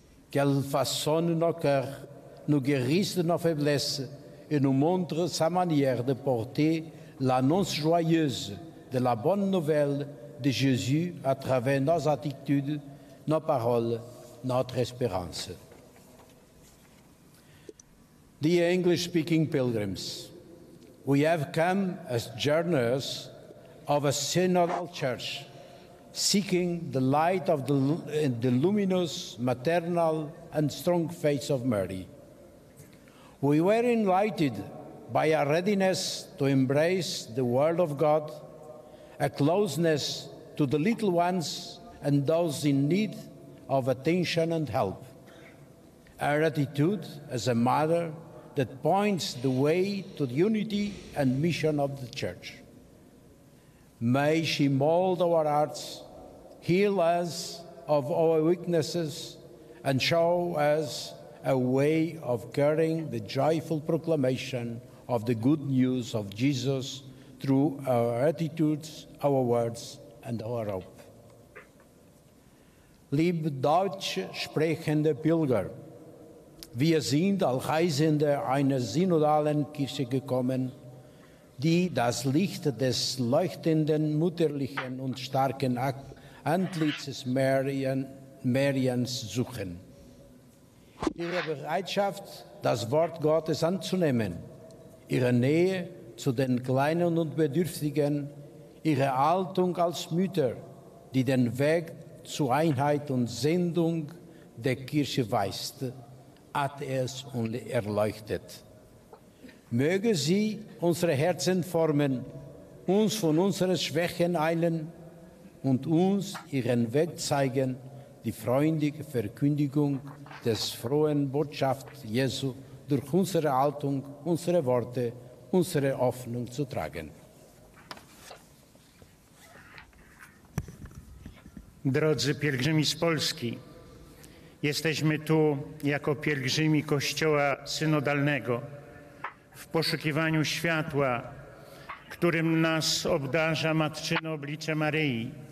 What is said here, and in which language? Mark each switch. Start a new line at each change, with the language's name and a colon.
French: Qu'elle façonne nos cœurs, nous guérisse de nos faiblesses et nous montre sa manière de porter l'annonce joyeuse de la bonne nouvelle de Jésus à travers nos attitudes, nos paroles, notre espérance.
English: Dear English-speaking pilgrims, we have come as journeyers of a synodal church, seeking the light of the luminous, maternal and strong face of Mary. We were enlightened by a readiness to embrace the Word of God, a closeness to the little ones and those in need of attention and help. Our attitude as a mother that points the way to the unity and mission of the Church. May she mold our hearts, heal us of our weaknesses, and show us a way of carrying the joyful proclamation of the good news of Jesus through our attitudes, our words, and our hope.
German: Liebe deutsch sprechende Pilger, wir sind als Reisende einer synodalen Kirche gekommen, die das Licht des leuchtenden, mutterlichen und starken Antlitzes Mariens suchen. Ihre Bereitschaft, das Wort Gottes anzunehmen, ihre Nähe zu den Kleinen und Bedürftigen, ihre Haltung als Mütter, die den Weg zu Einheit und Sendung der Kirche weist, hat es uns erleuchtet. Möge sie unsere Herzen formen, uns von unseren Schwächen heilen und uns ihren Weg zeigen, die freundliche Verkündigung des frohen Botschaft Jesu durch unsere Haltung, unsere Worte, unsere Hoffnung zu tragen.
Polish: Drodzy pielgrzymi z Polski, jesteśmy tu jako pielgrzymi Kościoła Synodalnego w poszukiwaniu światła, którym nas obdarza Matczyno Oblicze Maryi.